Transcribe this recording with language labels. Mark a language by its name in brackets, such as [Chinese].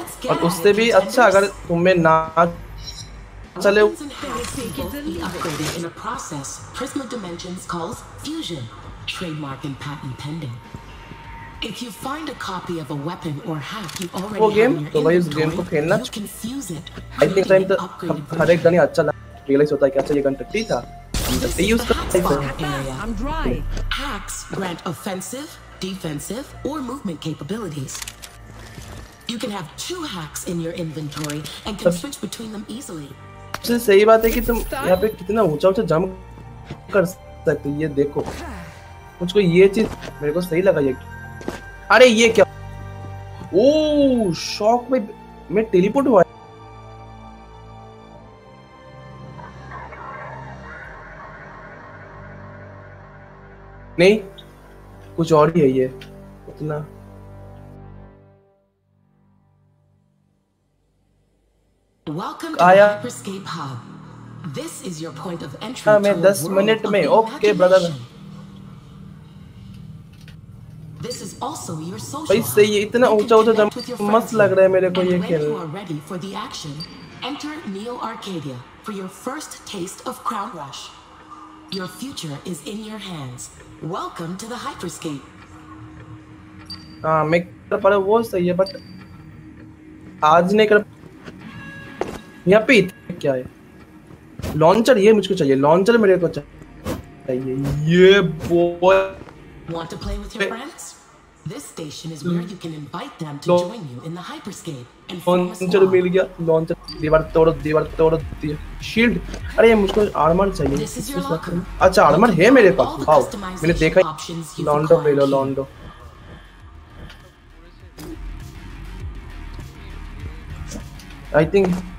[Hindi] और उससे भी अच्छा अगर तुम्हें ना चले [English] trademark and patent pending if you find a copy of a weapon or hack you already [Hindi] वो गेम तो भाई उस गेम को खेलना [English] I [Hindi] थिंक टाइम तो हर एक गन अच्छा लगा रियलाइज होता है कि अच्छा ये गन टट्टी था तो यूज कर सकते हैं [English] hacks grant offensive defensive or movement capabilities you can have two hacks in your inventory and can switch between them easily [Hindi] सही बात है कि तुम यहाँ पे कितना ऊंचा ऊंचा जंप कर सकते हो ये देखो मुझको ये चीज मेरे को सही लगा ये अरे ये क्या ओ शॉक में मैं टेलीपोर्ट हुआ नहीं कुछ और ही है ये इतना [English] Welcome to [Hindi] आया [English] Hyperscape Hub. This is your point of entry [Hindi] हाँ मैं 10 मिनट में okay brother [English] This is also your social [Hindi] भाई से ये इतना ऊंचा ऊंचा जंप मस्त लग रहा है मेरे को ये खेल [English] Enter Neo Arcadia for your first taste of Crown Rush. Your future is in your hands. Welcome to the Hyperscape. [Hindi] मैं कर पा रहा वो सही है बट आज नहीं कर यहाँ पे क्या है लॉन्चर ये मुझको चाहिए लॉन्चर मेरे को चाहिए ये boy [English] Want to play with your friends? This station is where you can invite them to join you in the Hyperscape and form a squad. [Hindi] मिल गया लॉन्चर दीवार तोड़ दिया शील्ड अरे ये मुझको आर्मर चाहिए अच्छा आर्मर है मेरे पास वाओ मैंने देखा लॉन्डो ले लो लॉन्डो आई थिंक